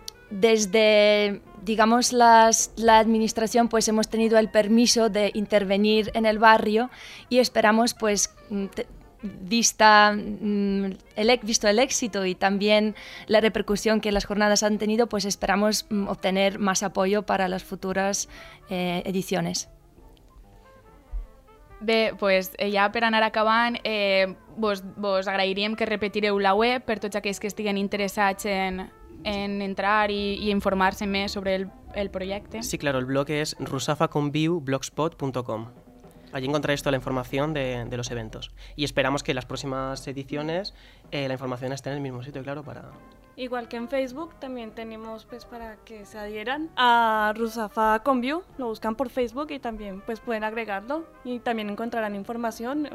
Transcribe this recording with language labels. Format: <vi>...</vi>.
<es>Desde, digamos, la administración, pues hemos tenido el permiso de intervenir en el barrio y esperamos, pues, visto el éxito y también la repercusión que las jornadas han tenido, pues esperamos obtener más apoyo para las futuras ediciones.</es> <ca>Bé, pues ja per anar acabant, vos agrairíem que repetireu la web per tots aquells que estiguen interessats en entrar i informar-se més sobre el projecte. Sí, claro, el blog és rusafaconviu.blogspot.com.</ca> <es>Allí encontraréis toda la información de los eventos. Y esperamos que en las próximas ediciones la información esté en el mismo sitio, claro, para... Igual que en Facebook, también tenemos, pues, para que se adhieran a Rusafa Conviu. Lo buscan por Facebook y también, pues, pueden agregarlo. Y también encontrarán información.</es>